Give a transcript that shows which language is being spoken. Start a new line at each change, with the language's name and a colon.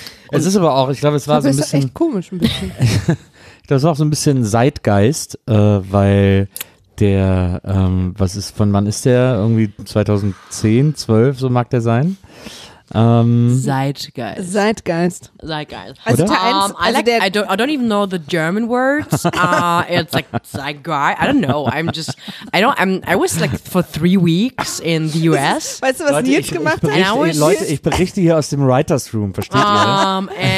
German: Es ist aber auch, ich glaube, es war so ein bisschen. Das ist echt komisch ein bisschen. Das war auch so ein bisschen Zeitgeist, weil der, was ist, von wann ist der? Irgendwie 2010, 12, so mag der sein. Zeitgeist. Zeitgeist. Also Teil 1,
English: I don't even know the German words. It's like Zeitgeist. I don't know. I was like for 3 weeks in the US.
German: Weißt du, was Leute, Nils gemacht hat? Leute, ich berichte hier aus dem Writers Room, versteht ihr?